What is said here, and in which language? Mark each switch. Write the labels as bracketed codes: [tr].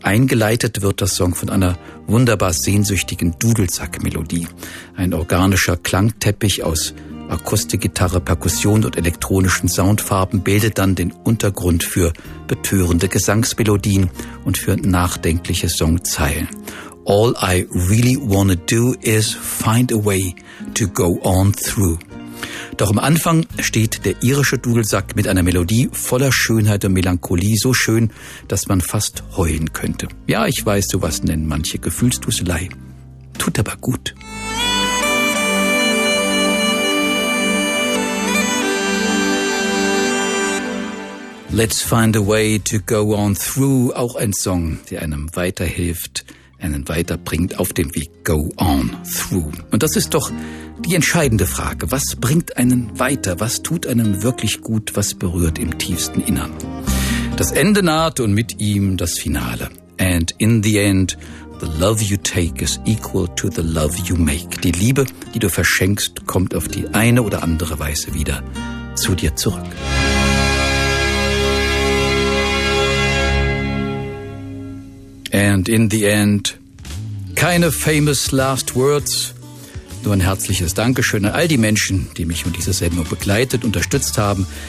[de] Eingeleitet wird der Song von einer wunderbar sehnsüchtigen Dudelsack-Melodie. Ein organischer Klangteppich aus Akustikgitarre, Perkussion und elektronischen Soundfarben bildet dann den Untergrund für betörende Gesangsmelodien und für nachdenkliche Songzeilen. [en] All I really wanna do is find a way to go on through. [de] Doch am Anfang steht der irische Dudelsack mit einer Melodie voller Schönheit und Melancholie, so schön, dass man fast heulen könnte. Ja, ich weiß, sowas nennen manche Gefühlsduselei. Tut aber gut. [en] Let's find a way to go on through. [de] Auch ein Song, der einem weiterhilft, einen weiterbringt auf dem Weg. [en] Go on through. [de] Und das ist doch die entscheidende Frage. Was bringt einen weiter? Was tut einem wirklich gut? Was berührt im tiefsten Innern? Das Ende naht und mit ihm das Finale. [en] And in the end, the love you take is equal to the love you make. [de] Die Liebe, die du verschenkst, kommt auf die eine oder andere Weise wieder zu dir zurück. [en] And in the end, [de] keine [en] famous last words, [de] nur ein herzliches Dankeschön an all die Menschen, die mich und diese Sendung begleitet, unterstützt haben.